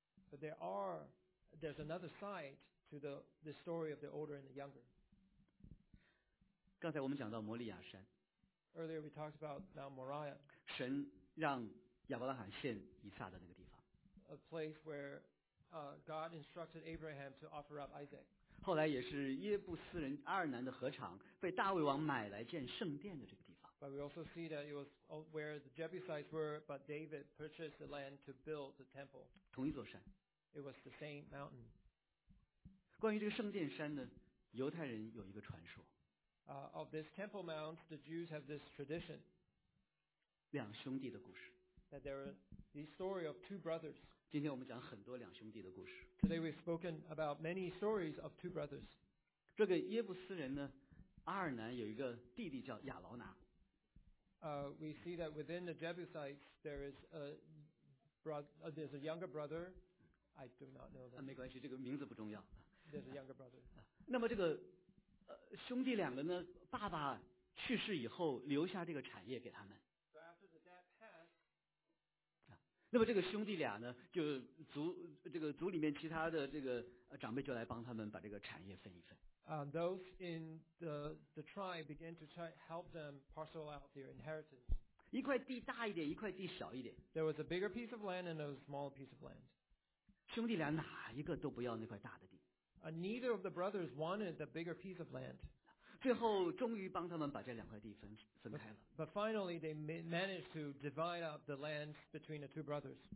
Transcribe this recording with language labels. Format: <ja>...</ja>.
<en>But there's another side to the story of the older and the younger.</en> <zh>刚才我们讲到摩利亚山。</zh> <en>Earlier we talked about Mount Moriah.</en> <zh>神让亚伯拉罕献以撒的那个地方。</zh> <en>A place where God instructed Abraham to offer up Isaac.</en> <zh>后来也是耶布斯人阿尔南的禾场被大卫王买来建圣殿的这个地方。</zh> <en>But we also see that it was where the Jebusites were, but David purchased the land to build the temple.</en> <zh>同一座山。</zh> <en>It was the same mountain.</en> <zh>关于这个圣殿山呢，犹太人有一个传说。</zh> <en>Of this temple mount, the Jews have this tradition.</en> <zh>两兄弟的故事。</zh> <en>That there are the story of two brothers.</en> <zh>今天我们讲很多两兄弟的故事。</zh> <en>Today we've spoken about many stories of two brothers.</en> <zh>这个耶布斯人呢，阿尔南有一个弟弟叫亚劳拿。</zh> <en>We see that within the Jebusites there is there's a younger brother. I do not know that.</en> <zh>没关系，这个名字不重要。</zh> <en>There's a younger brother.</en> <zh>那么这个兄弟两个呢，爸爸去世以后留下这个产业给他们。那么这个兄弟俩呢，就族里面其他的这个长辈就来帮他们把这个产业分一分。</zh> <en>Those in the tribe began to help them parcel out their inheritance.</en> <zh>一块地大一点，一块地小一点。</zh> <en>There was a bigger piece of land and a smaller piece of land.</en> <zh>兄弟俩哪一个都不要那块大的地。</zh> <en>Neither of the brothers wanted the bigger piece of land.</en> <zh>最后终于帮他们把这两块地分开了。</zh> <en>But finally, they managed to divide up the land between the two brothers.</en>